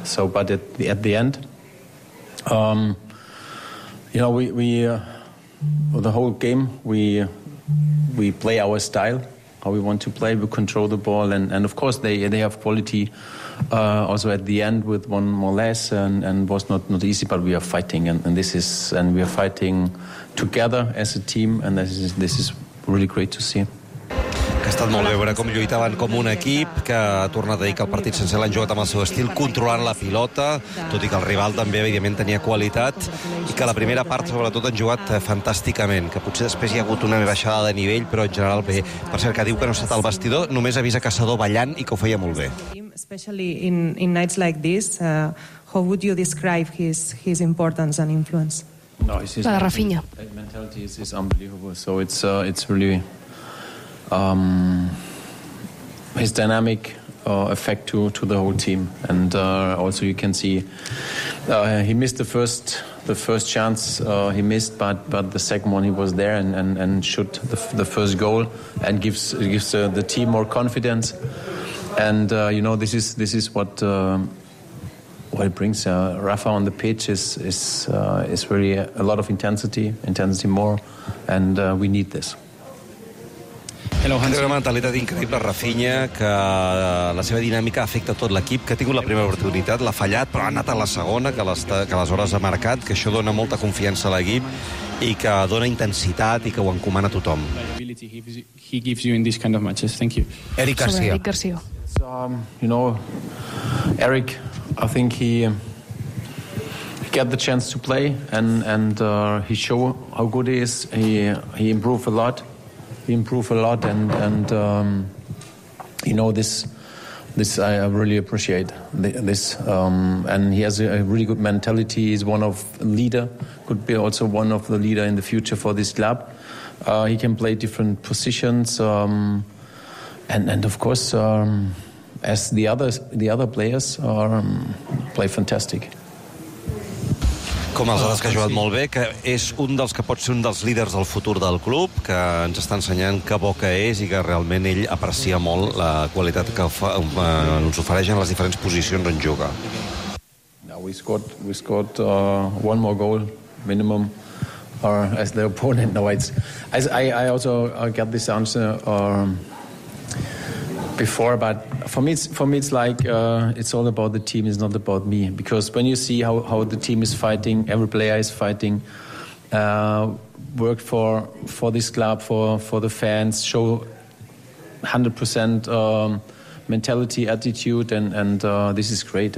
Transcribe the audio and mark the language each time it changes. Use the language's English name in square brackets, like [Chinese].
[English] So, but at the end, the whole game we play our style, how we want to play. We control the ball and of course they have quality also at the end with one more less and was not easy. But we are fighting and we are fighting together as a team, and this is. Really great to see. [Catalan] Que ha estat molt bé veure com lluitaven com un equip, que ha tornat a dir que el partit sencer l'han jugat amb el seu estil, controlant la pilota, tot i que el rival també, evidentment, tenia qualitat, i que la primera part, sobretot, han jugat fantàsticament, que potser després hi ha hagut una baixada de nivell, però en general bé. Per cert, que diu que no s'ha estat al vestidor, només avisa Caçador ballant i que ho feia molt bé. [English] Especially in nights like this, how would you describe his importance and influence? No, it's just Rafinha. Mentality is unbelievable. So it's really his dynamic effect to the whole team. And also you can see he missed the first chance. He missed, but the second one he was there and shoot the first goal and gives the team more confidence. And this is what. What it brings Rafa on the pitch is really a lot of intensity more, and we need this. Hello, Hans. [Catalan] Té una mentalitat increïble, Rafinha, que la seva dinàmica afecta tot l'equip, que ha tingut la primera oportunitat, l'ha fallat, però ha anat a la segona, que aleshores ha marcat, que això dona molta confiança a l'equip i que dona intensitat i que ho encomana a tothom. [English] He gives you in this kind of matches. Thank you. Eric Garcia. Eric, I think he got the chance to play and he showed how good he is. He improved a lot. He improved a lot and this I really appreciate this. And he has a really good mentality. He's one of leader, could be also one of the leader in the future for this club. He can play different positions. And of course, as the other players are play fantastic. [Catalan] Com els altres, que ha jugat molt bé, que és un dels que pot ser un dels líders del futur del club, que ens està ensenyant que bo que és i que realment ell aprecia molt la qualitat que ens ofereix en les diferents posicions on juga. [English] Now we scored one more goal minimum as the opponent. No, I also got this answer before, but for me it's like it's all about the team. It's not about me, because when you see how the team is fighting, every player is fighting, worked for this club, for the fans, show 100% mentality, attitude, and this is great.